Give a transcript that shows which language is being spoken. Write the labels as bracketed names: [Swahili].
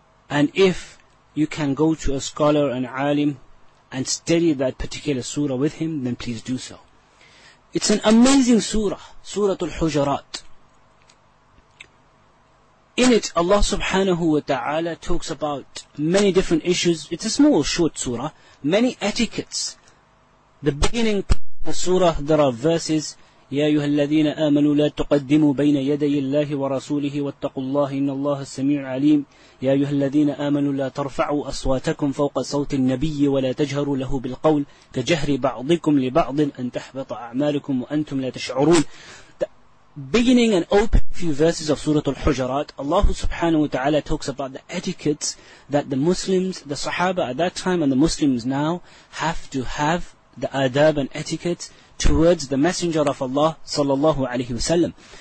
[English] And if you can go to a scholar, an alim, and study that particular surah with him, then please do so. It's an amazing surah, Surah Al-Hujurat. In it, Allah subhanahu wa ta'ala talks about many different issues. It's a small, short surah. Many etiquettes. The beginning of the surah, there are verses, [Arabic] يَا أَيُّهَا الَّذِينَ آمَنُوا لَا تُقَدِّمُوا بَيْنَ يَدَيِ اللَّهِ وَرَسُولِهِ وَاتَّقُوا اللَّهِ إِنَّ اللَّهَ السَّمِيعُ عَلِيمٌ يَا أَيُّهَا الَّذِينَ آمَنُوا لَا تَرْفَعُوا أَصْوَاتَكُمْ فَوْقَ صَوْتِ النَّبِيِّ وَلَا تَجْهَرُوا لَهُ بِالْقَوْلِ كَجَهْرِ بَعْضِكُمْ لِبَعْضٍ أَن تَحْبَطَ أَعْمَالُكُمْ وَأَنْتُمْ لَا تَشْعُرُونَ. [English] Beginning and opening few verses of Surah Al-Hujurat, Allah subhanahu wa ta'ala talks about the etiquettes that the Muslims, the Sahaba at that time and the Muslims now, have to have the adab and etiquettes towards the Messenger of Allah sallallahu alayhi wasallam.